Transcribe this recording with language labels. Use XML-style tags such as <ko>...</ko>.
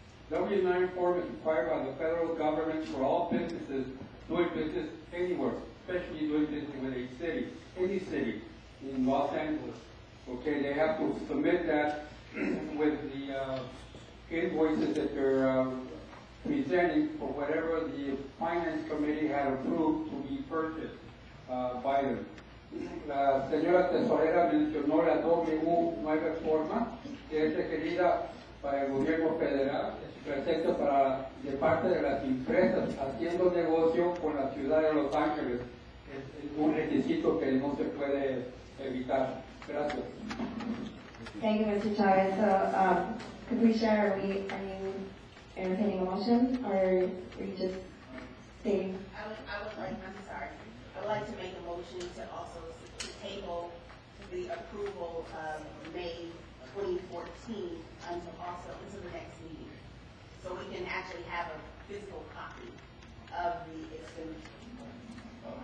<en>W-9 form is required by the federal government for all businesses doing business anywhere, especially doing business with a city, any city in Los Angeles. Okay, they have to submit that with the invoices that they're presenting for whatever the finance committee had approved to be purchased by them.</en> <es>La señora tesorera mencionó la W-9 forma que es requerida para el gobierno federal, excepto para de parte de las empresas haciendo negocio con la ciudad de Los Ángeles. Es un requisito que no se puede evitar. Gracias.</es> <en>Thank you, Mr. Chavez. So, could we share, entertaining a motion, or are you just saying? I would like to make a motion to also table the approval of May 2014 until the next meeting, so we can actually have a physical copy of the expenditure.</en>